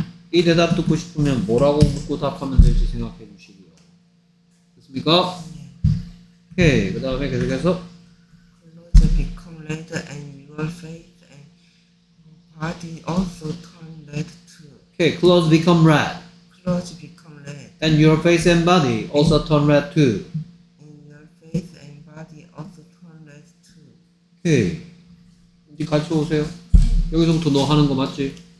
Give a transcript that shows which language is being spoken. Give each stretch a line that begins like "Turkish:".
Korean: 이 대답 듣고 싶으면 뭐라고 묻고 답하면 될지 생각해 주시고요. 됐습니까? 네. 오케이, 그 다음에 계속해서
English: Clothes become red and your face and body also turn red too. 오케이, Clothes become red. Clothes become red. And your face and body also turn red too. And your face and body also turn red too.
Korean: 오케이, 이제 같이 오세요. 여기서부터 너 하는 거 맞지?